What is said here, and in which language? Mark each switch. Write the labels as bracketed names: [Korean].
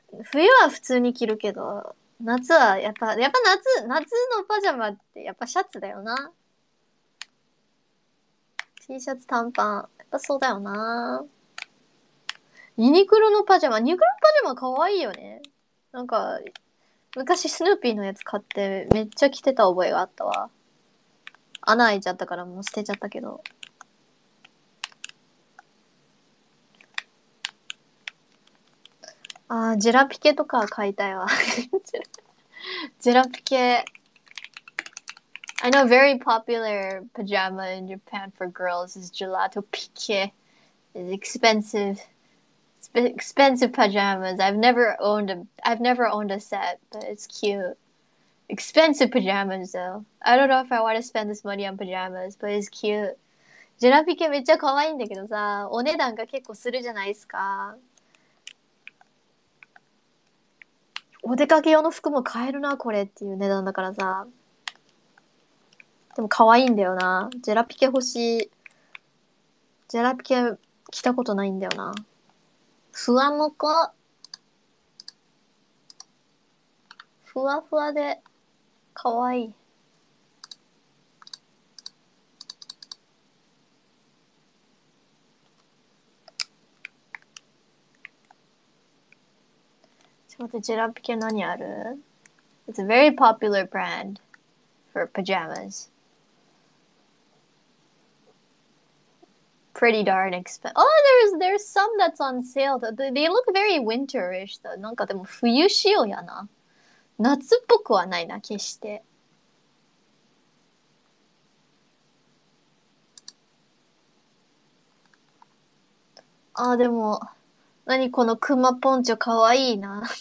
[Japanese] Fuyo wa futuu ni kiru kedo, natsu wa yappa natsu no pajama tte yappa shatsu da yo na. T shirt短パン yappa sou da yo na. ユニクロのパジャマ、ユニクロのパジャマかわいいよね。なんか、昔スヌーピーのやつ買ってめっちゃ着てた覚えがあったわ。穴開いちゃったからもう捨てちゃったけど。あー、ジェラピケとか買いたいわ。ジェラピケ。 [English] I know very popular pajama in Japan for girls is gelato pique. It's expensive. Expensive pajamas. I've never owned a set, but it's cute. Expensive pajamas though. I don't know if I want to spend this money on pajamas, but it's cute. [Japanese] ジェラピケめっちゃ可愛いんだけどさ、お値段が結構するじゃないですか。お出かけ用の服も買えるな、これっていう値段だからさ。でも可愛いんだよな。ジェラピケ欲しい。ジェラピケ着たことないんだよな。ふわもこ。ふわふわで、かわいい。ちょっと待って、ジェラピケ何ある？ [English] It's a very popular brand for pajamas. Pretty darn expensive. Oh, there's some that's on sale. They look very winterish though. [Japanese] なんかでも冬仕様やな。夏っぽくはないな、決して。あ、でも、なにこのクマポンチョかわいいな。